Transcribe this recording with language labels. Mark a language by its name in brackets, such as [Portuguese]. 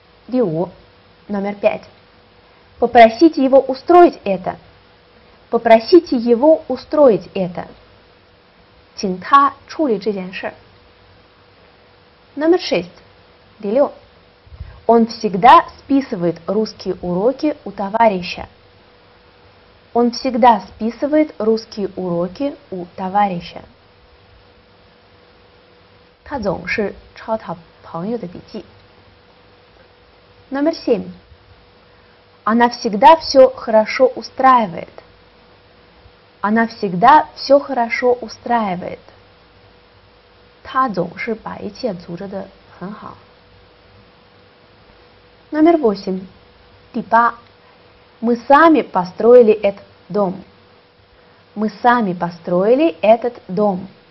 [Russian] 第五 номер пять. Попросите его устроить это. Попросите его устроить это. [Chinese] 请他处理这件事。 [Russian] номер шесть. 第六 Он всегда списывает русские уроки у товарища. Он всегда списывает русские уроки у товарища. [Chinese] 他总是抄他朋友的笔记。 [Russian] Номер семь. Она всегда все хорошо устраивает. Она всегда все хорошо устраивает. [Chinese] 她总是把一切组织得很好。 [Russian] Номер восемь. [Chinese] 第八. [Russian] Мы сами построили этот дом. Мы сами построили этот дом.